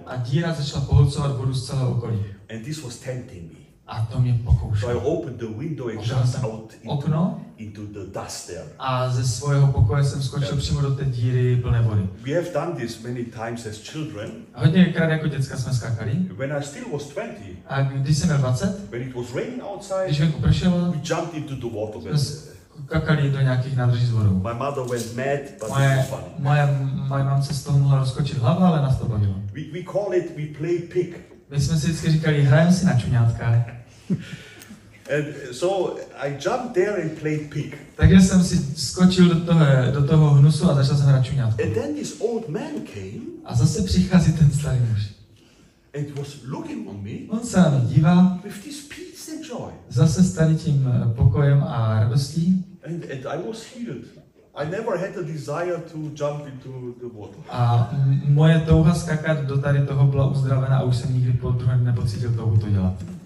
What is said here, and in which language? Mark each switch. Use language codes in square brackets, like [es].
[cs] A díra začala pohlcovat vodu z celého okolí. [en] And this was tempting me. [cs] A to mě pokoušel. [en] So I opened the window and jumped out into the dust there. [cs] A ze svého pokoje jsem skočil přímo do té díry plné vody. [en] We have done this many times as children. [cs] Hodněkrát jako děcka jsme skákali. [en] When I still was 20. [cs] A když jsem měl 20. [en] When it was raining outside. [cs] Když venku pršelo. [en] We jumped into the water. [cs] Skákali do nějakých nádrží s vodou. [en] My mother went mad, but it was funny. [cs] Moje mamce z toho mohla rozkočit hlava, ale nás to bavilo. [en] We call it, we play pig. [cs] My jsme si vždycky říkali, hrajeme si na čuňátka. [en] And so I jumped there and played pig. [cs] Takže jsem si skočil do toho hnusu a začal jsem hrát čuňátko. [en] And then this old man came. [cs] A zase přichází ten starý muž. [en] And was looking on me. [cs] On se na mě dívá. [en] With this peace and joy. [cs] Zase starý tím pokojem a radostí. [en] And I was healed. I never had a desire to jump into the water. [cs] A moje touha skákat do tady toho byla uzdravena a už jsem nikdy po druhé nepocítil touhu to dělat.